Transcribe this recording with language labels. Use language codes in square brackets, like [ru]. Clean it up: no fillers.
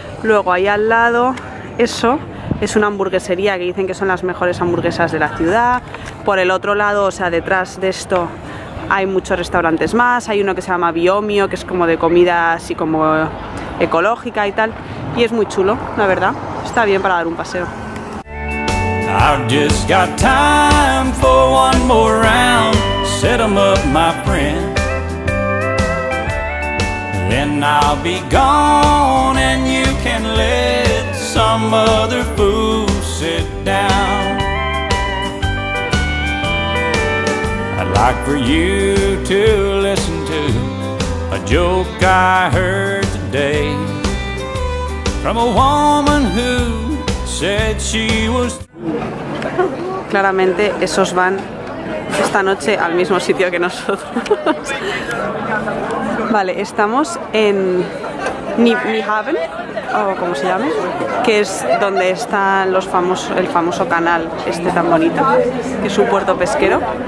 [es] Luego ahí al lado, eso, es una hamburguesería que dicen que son las mejores hamburguesas de la ciudad. Por el otro lado, o sea, detrás de esto hay muchos restaurantes más. Hay uno que se llama Biomio, que es como de comida así como ecológica y tal. Y es muy chulo, la verdad. Está bien para dar un paseo. [en] I've just got time for one more round. Set 'em up, my friend. Then I'll be gone and you can let some other fool sit down. I'd like for you to listen to a joke I heard today from a woman who said she was. [es] Claramente esos van esta noche al mismo sitio que nosotros. Vale, estamos en Nijmegen, o como se llame, que es donde están los famosos, el famoso canal este tan bonito, que es un puerto pesquero.